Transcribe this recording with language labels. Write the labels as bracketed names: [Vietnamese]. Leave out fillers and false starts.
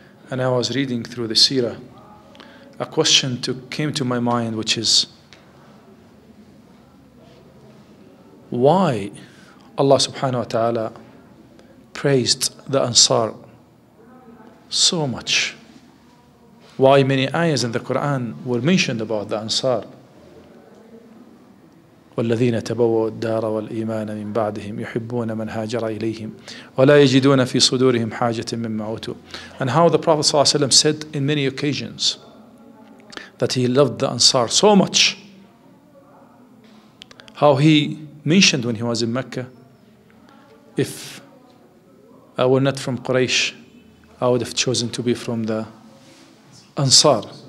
[English] And I was reading through the Sirah, a question came to my mind, which is, why Allah subhanahu wa ta'ala praised the Ansar so much? Why many ayahs in the Quran were mentioned about the Ansar? [Arabic] والذين تبووا الدار والإيمان من بعدهم يحبون من هاجر إليهم ولا يجدون في صدورهم حاجة مما أوتوا. [English] And how the Prophet صلى الله عليه وسلم said in many occasions that he loved the Ansar so much. How he mentioned when he was in Mecca, if I were not from Quraysh, I would have chosen to be from the Ansar.